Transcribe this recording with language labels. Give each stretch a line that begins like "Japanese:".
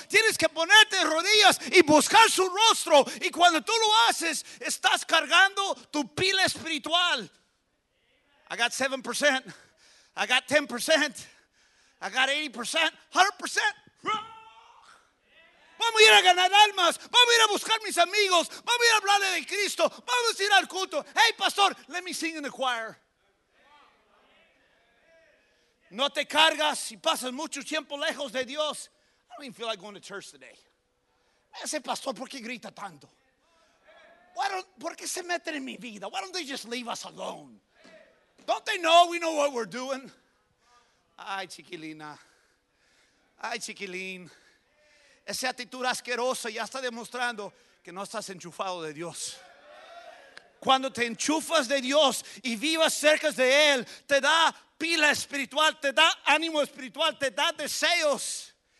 Spanish: Tienes que ponerte de rodillas y buscar su rostro. Y cuando tú lo haces, estás cargando tu pila espiritual.
English: I got 7%. I got 10%. I got 80%. 100%.
Spanish: Vamos a ir a ganar almas. Vamos a ir a buscar mis amigos. Vamos a ir a hablarle de Cristo. Vamos a ir al culto.
English: Hey, pastor, let me sing in the choir.
Spanish: No te cargas y pasas mucho tiempo lejos de Dios.
English: I don't even feel like going to church today.
Spanish: Ese pastor, ¿por qué grita tanto? ¿Por qué se meten en mi vida?
English: Why don't they just leave us alone? Don't they know we know what we're doing?
Spanish: Ay, chiquilina. Ay, chiquilín. Esa actitud asquerosa ya está demostrando que no estás enchufado de Dios. Cuando te enchufas de Dios y vivas cerca de Él, te da pila espiritual, te da ánimo espiritual, te da deseos.